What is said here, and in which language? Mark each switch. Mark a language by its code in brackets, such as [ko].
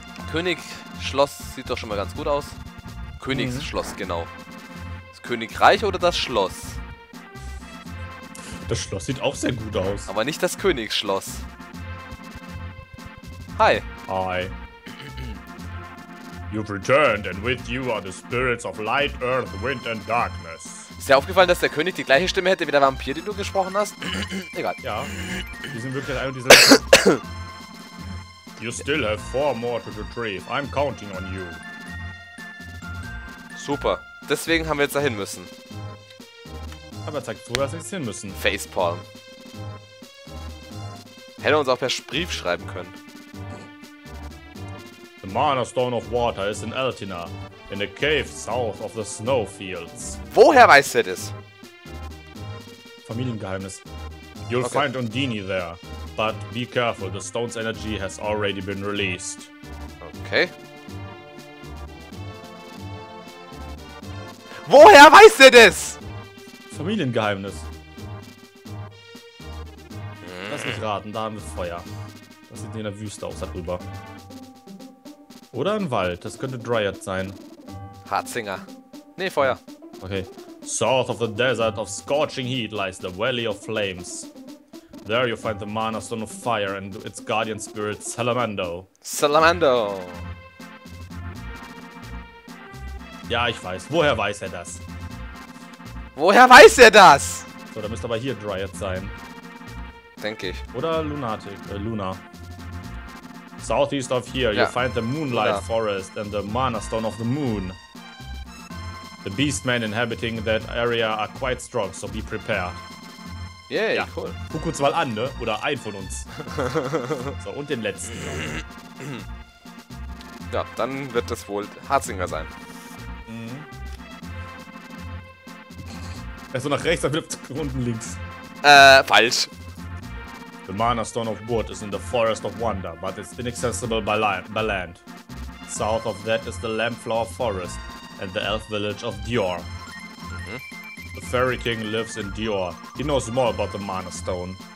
[de] Königsschloss sieht doch schon mal ganz gut aus. Königsschloss, genau. Das Königreich oder das Schloss? Das Schloss sieht auch sehr gut aus. Aber nicht das Königsschloss. Hi. Hi. [en] You've returned and with you are the spirits of light, earth, wind and darkness. [de] Ist dir aufgefallen, dass der König die gleiche Stimme hätte wie der Vampir, den du gesprochen hast? Egal. Ja. Die sind wirklich ein und dieselbe. [en] You still have 4 more to retrieve. I'm counting on you. [de] Super. Deswegen haben wir jetzt dahin müssen. Aber zeig zu, dass wir jetzt hin müssen. Facepalm. Hätte uns auch per Brief schreiben können. [en] The Mana Stone of Water is in Altina, in a cave south of the snowfields. [de] Woher weißt du das? Familiengeheimnis. [en] You'll find Undini there. But be careful, the stone's energy has already been released. [de] Okay. Woher weiß er das? Familiengeheimnis. Lass mich raten, da haben wir Feuer. Das sieht in der Wüste aus, da drüber. Oder ein Wald, das könnte Dryad sein. Hartzinger. Nee, Feuer. Okay. [en] South of the desert of scorching heat lies the Valley of Flames. There you find the Mana Stone of Fire and its guardian spirit, Salamando. [de] Salamando! Ja, ich weiß. Woher weiß er das? Woher weiß er das? So, da müsste aber hier Dryad sein. Denke ich. [en] Oder Lunatic, Luna. Southeast of here, ja. You find the Moonlight Luna. Forest and the Mana Stone of the Moon. The Beastmen inhabiting that area are quite strong, so be prepared. [de] Yay, ja. Cool. Guck uns mal an, ne? Oder ein von uns. So, und den letzten. Ja, dann wird das wohl Hatzinger sein. Also nach rechts, dann wird unten links. Falsch. [en] The Mana Stone of Wood is in the Forest of Wonder, but it's inaccessible by land. South of that is the Lampflower Forest and the Elf Village of Dior. The Fairy King lives in Dior. He knows more about the Mana Stone.